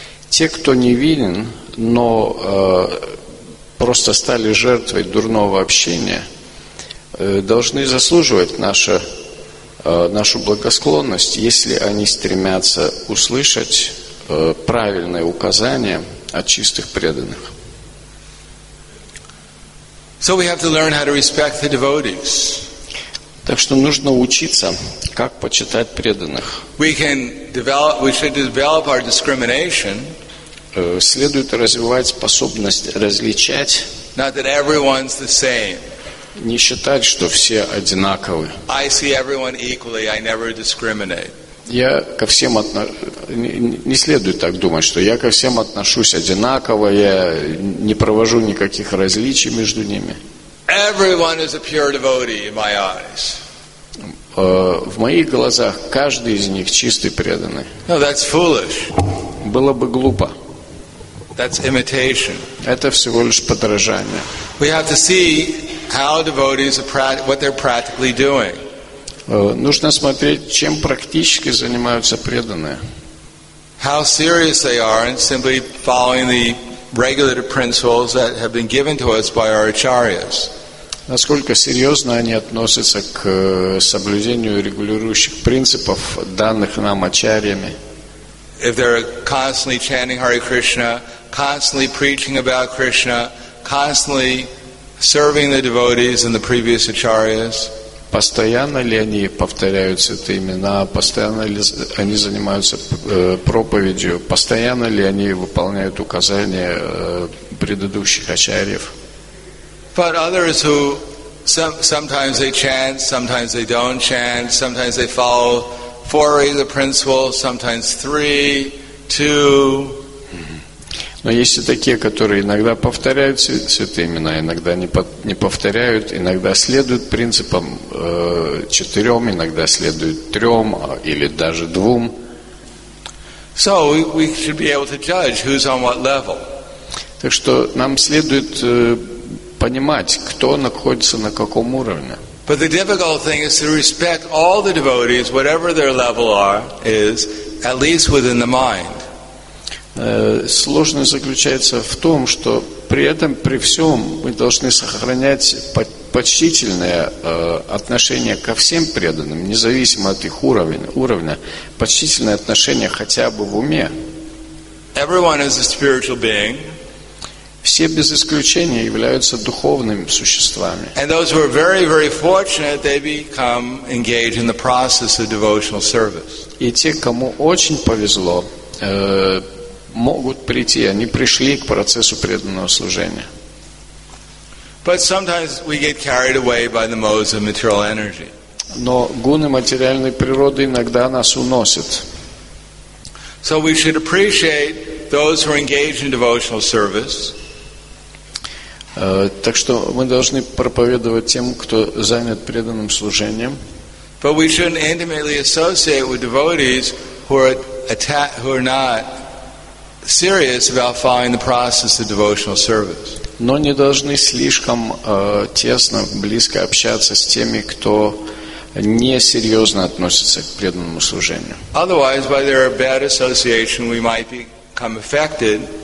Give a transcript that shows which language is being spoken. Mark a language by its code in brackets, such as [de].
[ru] Те, кто невинен, но просто стали жертвой дурного общения, должны заслуживать нашу благосклонность, если они стремятся услышать правильные указания от чистых преданных. [en] So we have to learn how to respect the devotees. [ru] Так что нужно учиться, как почитать преданных. [en] We should develop our discrimination. [ru] Следует развивать способность различать. [en] Not that everyone's the same. [ru] Не считать, что все одинаковы. [en] I see everyone equally. I never discriminate. [ru] Я ко всем не следует так думать, что я ко всем отношусь одинаково, я не провожу никаких различий между ними. [en] Everyone is a pure devotee in my eyes. [ru] В моих глазах каждый из них чистый преданный. [en] No, that's foolish. [ru] Было бы глупо. [en] That's imitation. [ru] Это всего лишь подражание. [en] We have to see how devotees are what they're practically doing. [ru] Нужно смотреть, чем практически занимаются преданные. [en] How serious they are in simply following the regulative principles that have been given to us by our acharyas. [ru] Насколько серьезно они относятся к соблюдению регулирующих принципов, данных нам ачарьями. [en] If they're constantly chanting Hare Krishna, constantly preaching about Krishna, constantly serving the devotees and the previous acharyas. [ru] Постоянно ли они повторяют святые имена, постоянно ли они занимаются проповедью, постоянно ли они выполняют указания предыдущих ачарьев. [en] But others who sometimes they chant, sometimes they don't chant, sometimes they follow four regular principles, sometimes three, two. [ru] Но есть и такие, которые иногда повторяют святые имена, иногда не повторяют, иногда следуют принципам четырем, иногда следуют трем или даже двум. [en] So we should be able to judge who's on what level. [ru] Так что нам следует понимать, кто находится на каком уровне. [en] But the difficult thing is to respect all the devotees, whatever their level are, is at least within the mind. [ru] Сложность заключается в том, что при этом, при всем, мы должны сохранять почтительное отношение ко всем преданным, независимо от их уровня, почтительное отношение хотя бы в уме. [en] Everyone is a spiritual being. [ru] Все без исключения являются духовными существами. [en] And those who are very, very fortunate, they become engaged in the process of devotional service. [ru] И те, кому очень повезло, могут прийти, они пришли к процессу преданного служения. [en] But sometimes we get carried away by the modes of material energy. [ru] Но гуны материальной природы иногда нас уносят. [en] So we should appreciate those who are engaged in devotional service. [ru] Так что мы должны проповедовать тем, кто занят преданным служением. [en] But we shouldn't intimately associate with devotees who are not serious about following the process of devotional service. [ru] Но не должны слишком тесно, близко общаться с теми, кто не серьезно относится к преданному служению. [en] Otherwise, by their bad association, we might become affected.